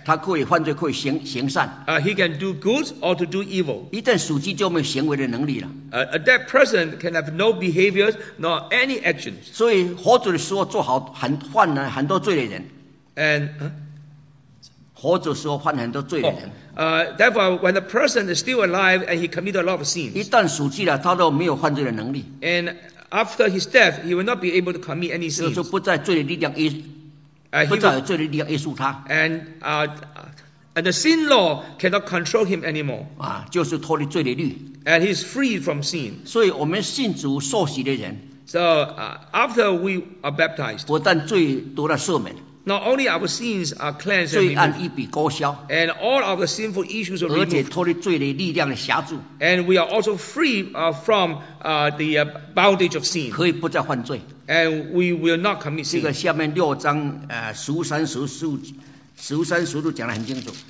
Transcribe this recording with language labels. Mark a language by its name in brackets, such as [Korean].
[Chinese] 他可以犯罪，可以行善。 [English] He can do good or to do evil. [Chinese] 一旦死去就没有行为的能力了。 [English] A dead person can have no behaviors nor any actions. [Chinese] 所以活着的时候做好犯了很多罪的人。 [English] And [Chinese] 活着时候犯很多罪的人。 [English] Therefore, when a person is still alive and he committed a lot of sins, [Chinese] 一旦死去了, 他都没有犯罪的能力, [English] and after his death, he will not be able to commit any sins. [Chinese] 就不再有罪的力量约束他, [English] and the sin law cannot control him anymore. [Chinese] 就是脱离罪的律, [English] and he is free from sin. [Chinese] 所以我们信主受洗的人, [English] so after we are baptized, [Chinese] 不但罪得了赦免, [English] not only our sins are cleansed, [Chinese] 罪案一笔勾销, [English] and all of the sinful issues are removed, [Chinese] 而且脱离罪的力量的辖制, [English] and we are also free from the bondage of sin, [Chinese] 可以不再犯罪, [English] and we will not commit sin. [Chinese] 这个下面六章, 十三十六讲得很清楚。